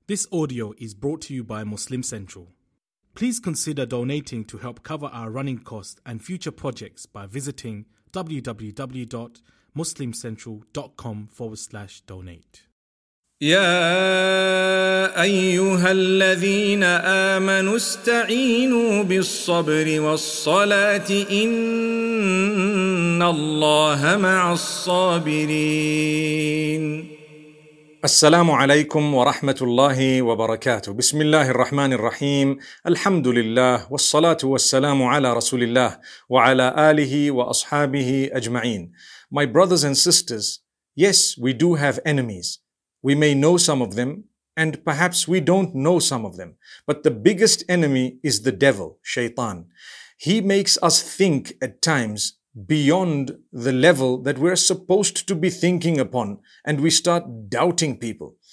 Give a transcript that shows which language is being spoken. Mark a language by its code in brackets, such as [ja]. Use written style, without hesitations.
[en] This audio is brought to you by Muslim Central. Please consider donating to help cover our running costs and future projects by visiting www.muslimcentral.com/donate. [ar] يا أيها الذين آمنوا استعينوا بالصبر والصلاة إن الله مع الصابرين. السلام عليكم ورحمة الله وبركاته. بسم الله الرحمن الرحيم. الحمد لله والصلاة والسلام على رسول الله وعلى آله وأصحابه أجمعين. [en] My brothers and sisters, yes, we do have enemies. We may know some of them, and perhaps we don't know some of them. But the biggest enemy is the devil, Shaytan. He makes us think at times beyond the level that we're supposed to be thinking upon, and we start doubting people.